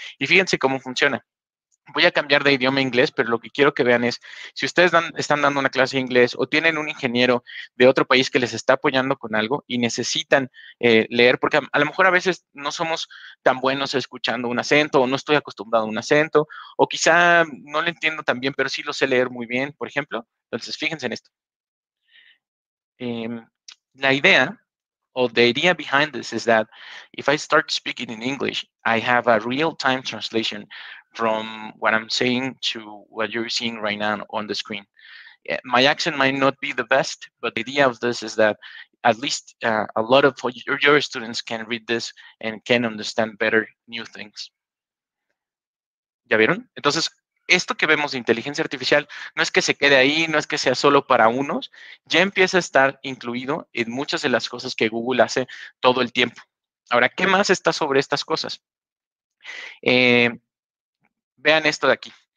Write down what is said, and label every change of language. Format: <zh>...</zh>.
<es>Y fíjense cómo funciona. Voy a cambiar de idioma a inglés, pero lo que quiero que vean es, si ustedes están dando una clase de inglés o tienen un ingeniero de otro país que les está apoyando con algo y necesitan leer, porque a lo mejor a veces no somos tan buenos escuchando un acento o no estoy acostumbrado a un acento, o quizá no lo entiendo tan bien, pero sí lo sé leer muy bien, por ejemplo. Entonces, fíjense en esto. La idea,</es> <en>or the idea behind this is that if I start speaking in English, I have a real-time translation from what I'm saying to what you're seeing right now on the screen. My accent might not be the best, but the idea of this is that at least a lot of your students can read this and can understand better new things.</en> <es>¿Ya vieron? Entonces, esto que vemos de inteligencia artificial no es que se quede ahí, no es que sea solo para unos, ya empieza a estar incluido en muchas de las cosas que Google hace todo el tiempo. Ahora, ¿qué más está sobre estas cosas? Vean esto de aquí.</es>